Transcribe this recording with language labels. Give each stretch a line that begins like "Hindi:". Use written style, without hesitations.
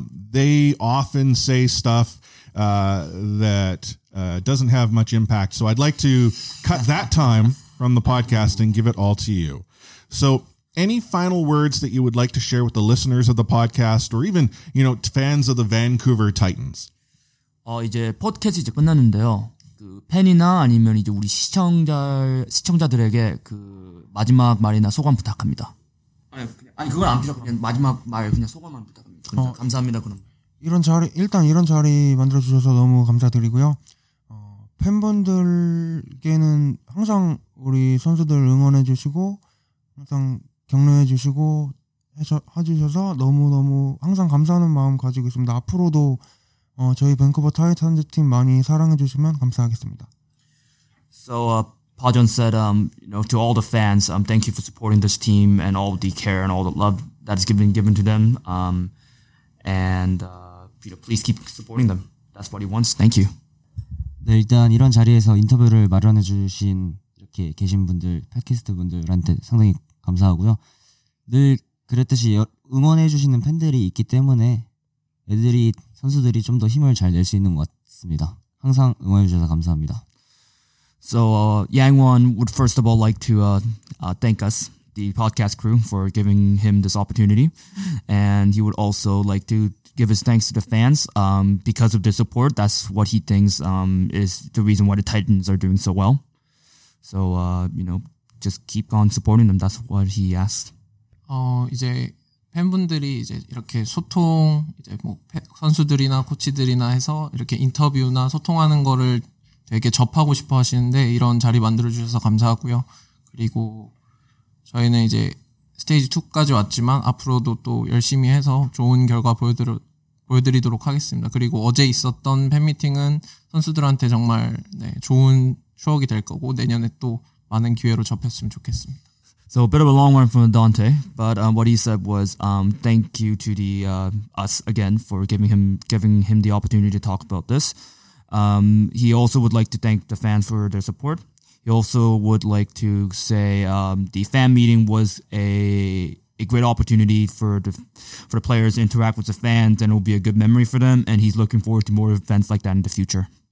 English: They often say stuff that doesn't have much impact. So I'd like to cut that time from the podcast and give it all to you. So any final words that you would like to share with the listeners of the podcast or even, you know, fans of the Vancouver Titans?
Korean: 이제 팟캐스트 이제 끝났는데요. 그 팬이나 아니면 이제 우리 시청자들에게 그 마지막 말이나 소감 부탁합니다. 아니 그건 안 필요하고 그냥 마지막 말 그냥 소감만 부탁합니다. 감사합니다. 그럼 이런 자리 일단 이런 자리 만들어 주셔서 너무 감사드리고요. 팬분들께는 항상 우리 선수들 응원해 주시고 항상 격려해 주시고 해주셔서 너무너무 항상 감사하는 마음 가지고 있습니다. 앞으로도 저희 밴쿠버 타이탄즈 팀 많이 사랑해 주시면 감사하겠습니다.
English: So, Pajon said, you know, to all the fans, thank you for supporting this team and all the care and all the love that is given to them. You know, please keep supporting them. That's what he wants. Thank you.
Korean: 네, 일단 이런 자리에서 인터뷰를 마련해 주신 이렇게 계신 분들, 팟캐스트 분들한테 상당히 감사하고요. 늘 그랬듯이 응원해 주시는 팬들이 있기 때문에 애들이 선수들이 좀 더 힘을 잘 낼 수 있는 것 같습니다. 항상 응원해 주셔서 감사합니다.
English: So Yang Won would first of all like to thank us, the podcast crew, for giving him this opportunity, and he would also like to give his thanks to the fans because of their support. That's what he thinks is the reason why the Titans are doing so well. So you know, just keep on supporting them. That's what he asked.
Korean: 이제 팬분들이 이제 이렇게 소통 이제 뭐 선수들이나 코치들이나 해서 이렇게 인터뷰나 소통하는 거를 되게 접하고 싶어 하시는데 이런 자리 만들어 주셔서 감사하고요. 그리고 저희는 이제 스테이지 2까지 왔지만 앞으로도 또 열심히 해서 좋은 결과 보여드리도록 하겠습니다. 그리고 어제 있었던 팬미팅은 선수들한테 정말 네, 좋은 추억이 될 거고 내년에 또 많은 기회로 접했으면 좋겠습니다.
English: So a bit of a long one from Dante, but what he said was thank you to the us again for giving him the opportunity to talk about this. He also would like to thank the fans for their support. He also would like to say the fan meeting was a great opportunity for the players to interact with the fans, and it will be a good memory for them, and he's looking forward to more events like that in the future.